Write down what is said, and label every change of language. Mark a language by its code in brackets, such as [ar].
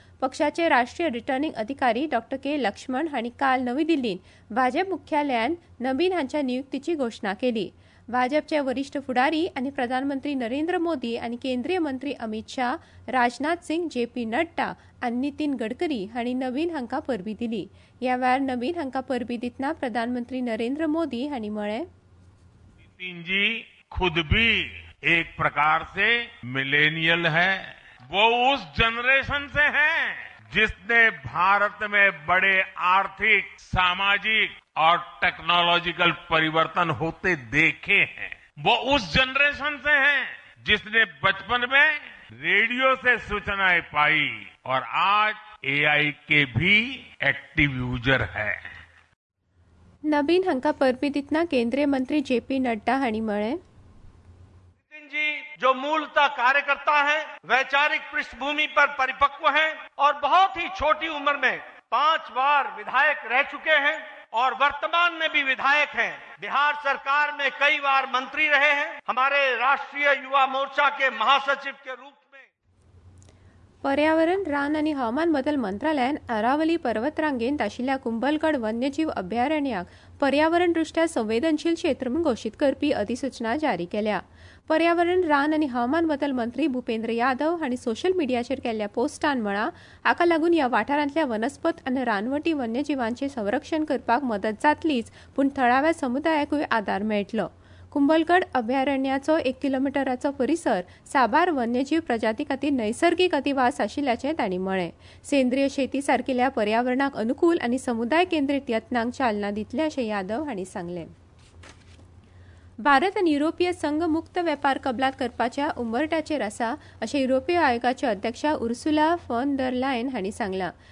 [kok] पक्षाचे राष्ट्रीय रिटर्निंग अधिकारी डॉ के लक्ष्मण हांणी काल नवी दिल्लीत भाजप मुख्यालयान नबीन हांच्या नियुक्तीची घोषणा केली. भाजपचे वरिष्ठ फुडारी आणि प्रधानमंत्री नरेंद्र मोदी आणि केंद्रीय मंत्री अमित शहा, राजनाथ सिंग, जेपी नड्डा आणि नितीन गडकरी हांणी नबीन हांका परबी दिली. या वेळार नबीन हांका परबी दितना प्रधानमंत्री नरेंद्र मोदी हांणी म्हळे, [hi] नितीनजी खुद भी एक प्रकार से मिलेनियल है. वो उस जनरेशन से है जिसने भारत में बड़े आर्थिक, सामाजिक और टेक्नोलॉजिकल परिवर्तन होते देखे हैं. वो उस जनरेशन से है जिसने बचपन में रेडियो से सूचनाएं पाई और आज एआई के भी एक्टिव यूजर है. [kok] नबीन हंका परबी दितना केंद्रीय मंत्री जेपी नड्डा हणी मळे, [hi] जो मूलतः कार्यकर्ता है, वैचारिक पृष्ठभूमि पर परिपक्व है और बहुत ही छोटी उम्र में 5 बार विधायक रह चुके हैं और वर्तमान में भी विधायक हैं. बिहार सरकार में कई बार मंत्री रहे हैं. हमारे राष्ट्रीय युवा मोर्चा के महासचिव के रूप में [kok] पर्यावरण रान आणि हवामान बदल मंत्रालय अरावली पर्वतरांगेंत आशिल्ल्या कुंभलगड वन्यजीव अभयारण्याक पर्यावरण दृष्ट्या संवेदनशील क्षेत्र म्हणून घोषित करपी अधिसूचना जारी केल्या. पर्यावरण रान आणि हवामान बदल मंत्री भूपेंद्र यादव आणि सोशल मीडियाचेर केल्ल्या पोस्टान म्हळा, हाका लागून या वाठारांतल्या वनस्पत आणि रानवटी वन्यजीवांचे संरक्षण करपाक मदत जातलीच, पूण थळाव्या समुदायाकूय आधार मेळटलो. कुंभलगड अभयारण्याचो 1 किलोमीटराचो परिसर साबार वन्यजीव प्रजाती खातीर नैसर्गीक अधिवास आशिल्ल्याचे ताणी म्हळे. सेंद्रीय शेती सारखेल्या पर्यावरणाक अनुकूल आणि समुदाय केंद्रीत यत्नांक चालना दितले असे यादव हांणी सांगले. भारत आणि युरोपीय संघ मुक्त व्यापार कबलात करपाच्या उंबरट्याचेर आसा असे युरोपीय आयोगाचे अध्यक्ष उर्सुला फॉन डर लायन हांणी सांगला.